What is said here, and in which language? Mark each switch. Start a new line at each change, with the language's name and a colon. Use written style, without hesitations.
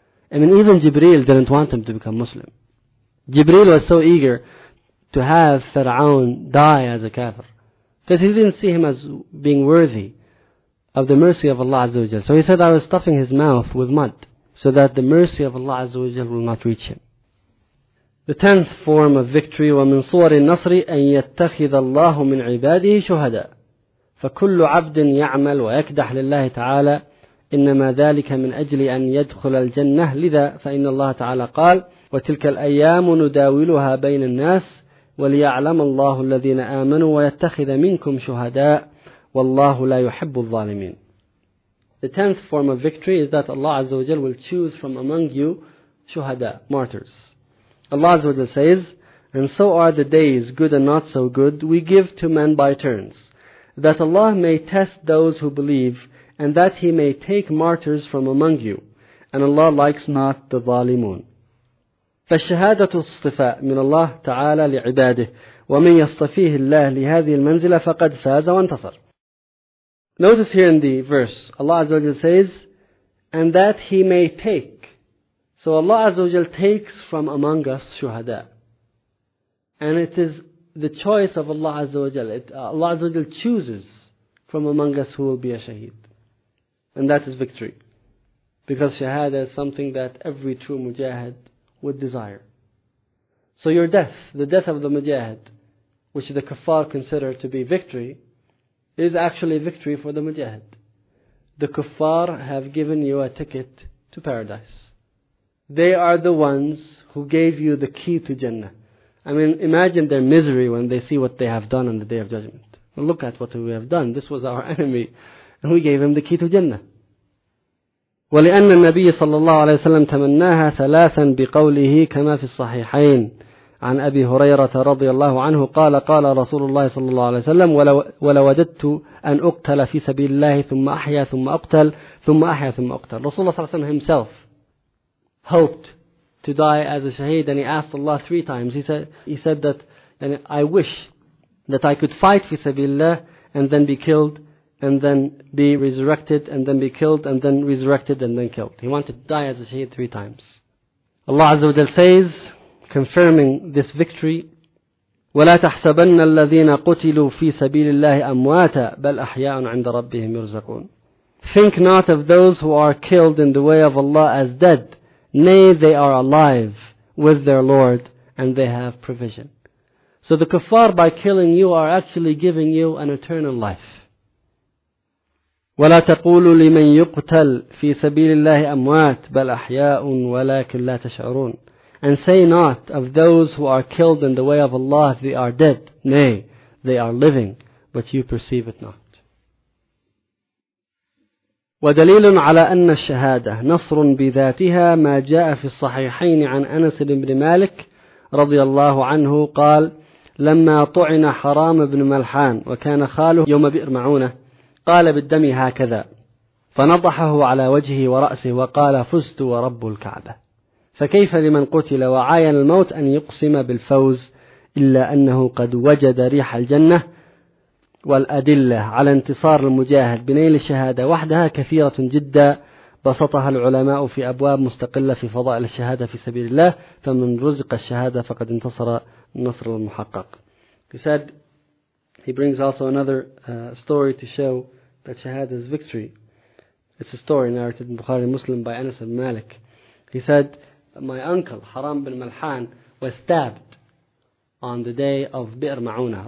English: I mean, even Jibreel didn't want him to become Muslim. Jibreel was so eager to have Fir'aun die as a kafir that he didn't see him as being worthy of the mercy of Allah Azza wa Jal. So he said, I was stuffing his mouth with mud so that the mercy of Allah Azza wa Jal will not reach him. The 10th form of victory,
Arabic: وَمِنْ صُوَرِ النَّصْرِ أَنْ يَتَّخِذَ اللَّهُ مِنْ عِبَادِهِ شُهَدًا فَكُلُّ عَبْدٍ يَعْمَلْ وَيَكْدَحْ لِلَّهِ تَعَالَى إِنَّمَا ذَلِكَ مِنْ أَجْلِ أَنْ يَدْخُلَ الْجَنَّةِ لِذَا فَإِنَّ اللَّهَ تَعَالَى قَالَ وتلك الأيام نداولها بين الناس وليعلم الله الذين آمنوا ويتخذ منكم شهداء والله لا يحب الظالمين.
English: The tenth form of victory is that Allah Azza wa Jal will choose from among you shuhada, martyrs. Allah Azza wa Jal says, and so are the days, good and not so good, we give to men by turns, that Allah may test those who believe, and that He may take martyrs from among you. And Allah likes not the zalimun.
Arabic: فالشهادة الصفاء من الله تعالى لعباده ومن يصطفيه الله لهذه المنزلة فقد فاز وانتصر.
English: Notice here in the verse, Allah Azza wa Jal says, and that He may take. So Allah Azza wa Jal takes from among us shuhada. And it is the choice of Allah Azza wa Jal. Allah Azza wa Jal chooses from among us who will be a shaheed. And that is victory. Because shahada is something that every true mujahid would desire. So your death, the death of the mujahid, which the kuffar consider to be victory, is actually victory for the mujahid. The kuffar have given you a ticket to paradise. They are the ones who gave you the key to Jannah. I mean, imagine their misery when they see what they have done on the Day of Judgment. Well, look at what we have done. This was our enemy, and we gave him the key to Jannah.
Arabic: ولأن النبي صلى الله عليه وسلم تمناها ثلاثا بقوله كما في الصحيحين عن أبي هريرة رضي الله عنه قال قال رسول الله صلى الله عليه وسلم ولوجدت أن أقتل في سبيل الله ثم أحيا ثم أقتل ثم أحيا ثم أقتل. رسول الله صلى الله عليه وسلم
English: himself hoped to die as a shaheed, and he asked Allah three times. He said that I wish that I could fight
Arabic: في سبيل الله
English: and then be killed and then be resurrected, and then be killed, and then resurrected, and then killed. He wanted to die as a shaheed three times. Allah Azza wa Jal says, confirming this victory,
Arabic: وَلَا تَحْسَبَنَّ الَّذِينَ قُتِلُوا فِي سَبِيلِ اللَّهِ أَمْوَاتًا بَلْ أَحْيَاءٌ عِنْدَ رَبِّهِمْ يُرْزَقُونَ.
English: Think not of those who are killed in the way of Allah as dead. Nay, they are alive with their Lord, and they have provision. So the kuffar, by killing you, are actually giving you an eternal life.
Arabic: وَلَا تَقُولُ لِمَنْ يُقْتَلْ فِي سَبِيلِ اللَّهِ أَمْوَاتٍ بَلْ أَحْيَاءٌ وَلَكِنْ لَا تَشْعُرُونَ.
English: And say not of those who are killed in the way of Allah, they are dead. Nay, they are living, but you perceive it not.
Arabic: وَدَلِيلٌ عَلَىٰ أَنَّ الشَّهَادَةِ نَصْرٌ بِذَاتِهَا مَا جَاءَ فِي الصَّحِيحَيْنِ عَنْ أَنَسِ بْنِ مَالِكٍ رضي الله عنه قال لما طعن حرام بن ملحان وكان خاله يوم بئر معونة قال بالدم هكذا فنضحه على وجهه ورأسه وقال فزت ورب الكعبة فكيف لمن قتل وعاين الموت أن يقسم بالفوز إلا أنه قد وجد ريح الجنة والأدلة على انتصار المجاهد بنيل الشهادة وحدها كثيرة جدا بسطها العلماء في أبواب مستقلة في فضائل الشهادة في سبيل الله فمن رزق الشهادة فقد انتصر النصر المحقق.
English: He brings also another story to show that shahada is victory. It's a story narrated in Bukhari Muslim by Anas ibn Malik. He said, my uncle, Haram bin Malhan, was stabbed on the day of Bi'r Ma'una.